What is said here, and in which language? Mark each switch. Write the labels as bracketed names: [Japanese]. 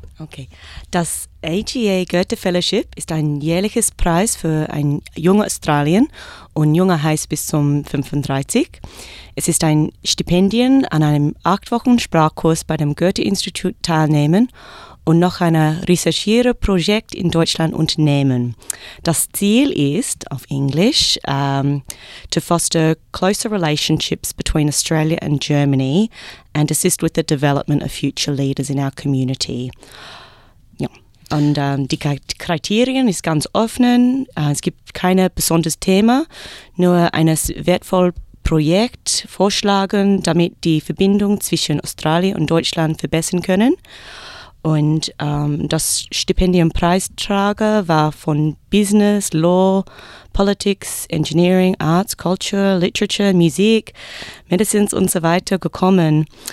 [German] Okay, das AGA Goethe Fellowship ist ein jährliches Preis für ein junger Australien und junger heißt bis zum 35. Es ist ein Stipendien an einem 8 Wochen Sprachkurs bei dem Goethe-Institut teilnehmen und noch ein Recherchiere-Projekt in Deutschland unternehmen. Das Ziel ist, auf Englisch, [English] to foster closer relationships between Australia and Germany and assist with the development of future leaders in our community. [German] Ja. Und die Kriterien ist ganz offen. Es gibt keine besonderes Thema, nur ein wertvolles Projekt vorschlagen, damit die Verbindung zwischen Australien und Deutschland verbessern können. Und das Stipendienpreisträger war von Business, Law, Politics, Engineering, Arts, Culture, Literature, Musik, Medizins und so weiter gekommen.